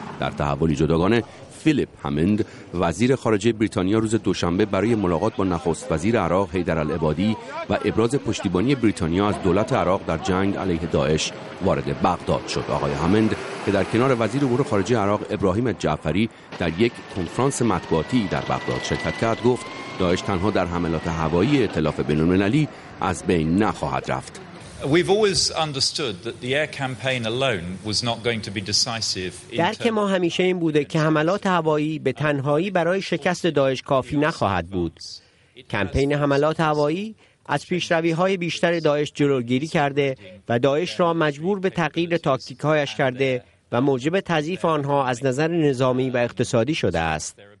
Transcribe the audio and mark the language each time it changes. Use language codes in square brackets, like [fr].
[fa] در تحولی جداگانه، فیلیپ همند وزیر خارجه بریتانیا روز دوشنبه برای ملاقات با نخست وزیر عراق حیدر العبادی و ابراز پشتیبانی بریتانیا از دولت عراق در جنگ علیه داعش وارد بغداد شد. آقای همند که در کنار وزیر امور خارجه عراق ابراهیم جعفری در یک کنفرانس مطبوعاتی در بغداد شرکت کرد، گفت داعش تنها در حملات هوایی ائتلاف بین‌المللی از بین نخواهد رفت. [en] We've always understood that the air campaign alone was not going to be decisive. [fa] درک ما همیشه این بوده که حملات هوایی به تنهایی برای شکست داعش کافی نخواهد بود. کمپین حملات هوایی از پیشروی‌های بیشتر داعش جلوگیری کرده و داعش را مجبور به تغییر تاکتیک‌هایش کرده و موجب تضعیف آنها از نظر نظامی و اقتصادی شده است.